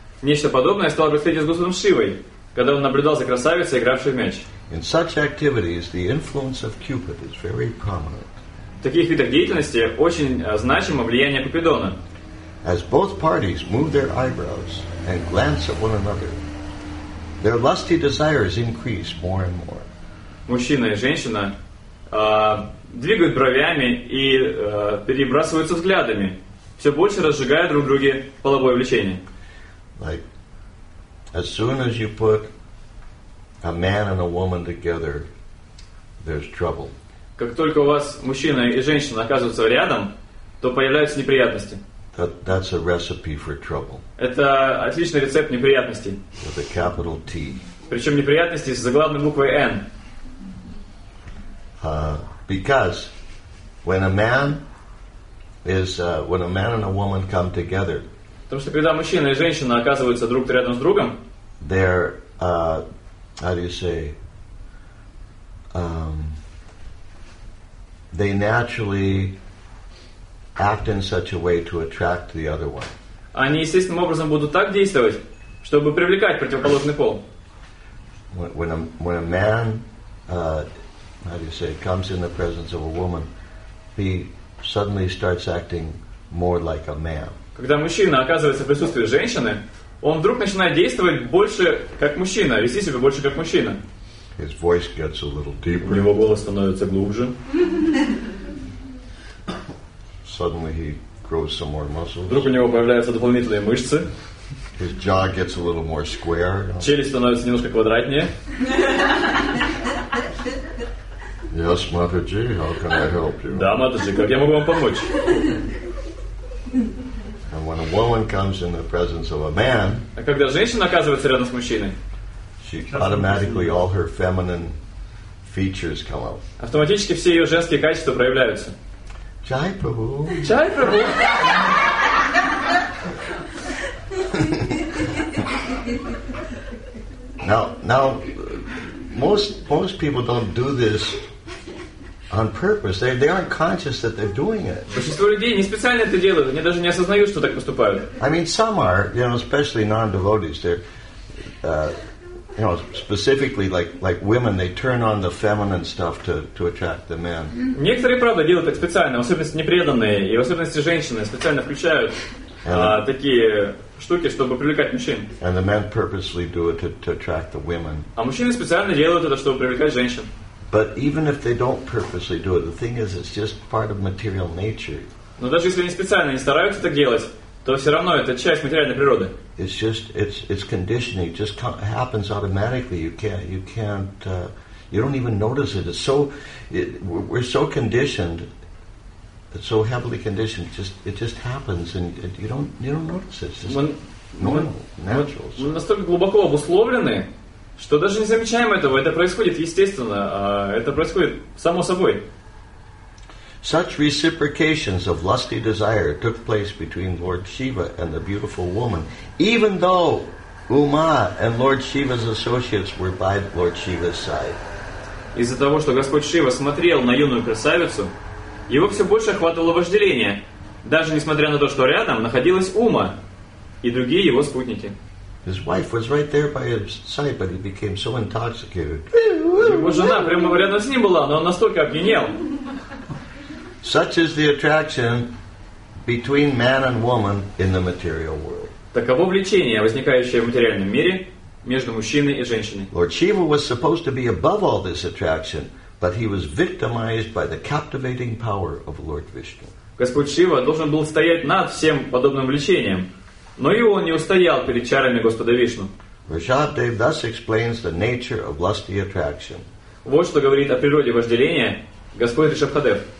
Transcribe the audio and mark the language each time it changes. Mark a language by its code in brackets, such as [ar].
[ru] Нечто подобное стало происходить с Господом Шивой, когда он наблюдал за красавицей, игравшей в мяч. [en] In such activities, the influence of Cupid is very prominent. [ru] В таких видах деятельности очень значимо влияние Купидона. [en] As both parties move their eyebrows and glance at one another, their lusty desires increase more and more. [ru] Мужчина и женщина двигают бровями и перебрасываются взглядами. все больше разжигая друг в друге половое влечение. [en] Like, as soon as you put a man and a woman together, there's trouble. [ru] Как только у вас мужчина и женщина оказываются рядом, то появляются неприятности. [en] That's a recipe for trouble. [ru] Это отличный рецепт неприятностей. [en] With a capital T. [ru] Причем неприятности с заглавной буквой N. [en] Because when a man is when a man and a woman come together, [ru] потому что когда мужчина и женщина оказываются друг рядом с другом, [en] they're how do you say? They naturally act in such a way to attract the other one. [ru] Они естественным образом будут так действовать, чтобы привлекать противоположный пол. [en] When a man how do you say, comes in the presence of a woman, he suddenly starts acting more like a man. [ru] Когда мужчина оказывается в присутствии женщины, он вдруг начинает действовать больше как мужчина, вести себя больше как мужчина. [en] His voice gets a little deeper. [ru] У него голос становится глубже. [en] Suddenly he grows some more muscles. [ru] Вдруг у него появляются дополнительные мышцы. [en] His jaw gets a little more square. [ru] Челюсть становится немножко квадратнее. [en] Yes, Mataji, how can I help you? [ru] Да, Mataji, как я могу вам помочь? [en] And when a woman comes in the presence of a man, [ru] а когда женщина оказывается рядом с мужчиной, [en] she automatically all her feminine features come out. [ru] Автоматически все ее женские качества проявляются. [hi] Jai Prabhu. Jai Prabhu. [en] Now, most people don't do this on purpose. They aren't conscious that they're doing it. [ru] Большинство людей не специально это делают. Они даже не осознают, что так поступают. [en] I mean, some are, you know, especially non-devotees. They're, you know, specifically like women, they turn on the feminine stuff to attract the men. [ru] Некоторые, правда, делают это специально, в особенности непреданные и в особенности женщины специально включают такие штуки, чтобы привлекать мужчин. [en] And the men purposely do it to attract the women. [ru] А мужчины специально делают это, чтобы привлекать женщин. [en] But even if they don't purposely do it, the thing is, it's just part of material nature. [ru] Но даже если они специально не стараются так делать, то все равно это часть материальной природы. [en] It's just it's conditioning. It just happens automatically. You can't you don't even notice it. We're so conditioned. It's so heavily conditioned. It just happens, and you don't notice it. It's just natural. [ru] Мы настолько глубоко обусловлены, что даже не замечаем этого. Это происходит естественно. Это происходит само собой. [en] Such reciprocations of lusty desire took place between Lord Shiva and the beautiful woman, even though Uma and Lord Shiva's associates were by Lord Shiva's side. [ru] Из-за того, что Господь Шива смотрел на юную красавицу, его все больше охватывало вожделение, даже несмотря на то, что рядом находилась Ума и другие его спутники. [en] His wife was right there by his side, but he became so intoxicated. [ru] Его жена прямо рядом с ним была, но он настолько опьянел. [en] Such is the attraction between man and woman in the material world. [ru] Таково влечение, возникающее в материальном мире между мужчиной и женщиной. [en] Lord Shiva was supposed to be above all this attraction, but he was victimized by the captivating power of Lord Vishnu. [ru] Господь Шива должен был стоять над всем подобным влечением, но и он не устоял перед чарами Господа Вишну. [en] Vrishabhdev thus explains the nature of lusty attraction. [ru] Вот что говорит о природе вожделения Господь Ришабхадев.